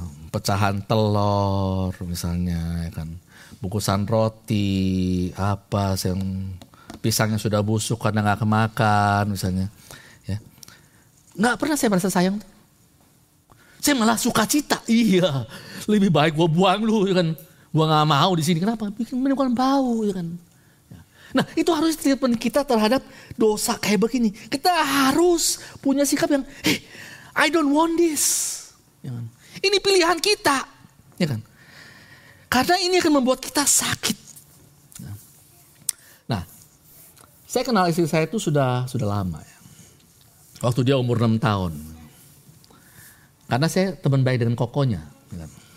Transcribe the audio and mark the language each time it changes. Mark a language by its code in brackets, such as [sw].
[id] pecahan telur misalnya, ya kan, bungkusan roti apa yang pisangnya sudah busuk karena nggak kemakan misalnya, ya nggak pernah saya merasa sayang, saya malah suka cita, iya lebih baik gua buang lu, ya kan, gua nggak mau di sini, kenapa, menimbulkan bau, ya kan. Nah, itu harus treatment kita terhadap dosa kayak begini. Kita harus punya sikap yang, [en] I don't want this. [id] Ya kan? Ini pilihan kita. Ya kan? Karena ini akan membuat kita sakit. Nah, saya kenal istri saya itu sudah lama. Ya. Waktu dia umur 6 tahun. Karena saya teman baik dengan kokonya. Ya kan?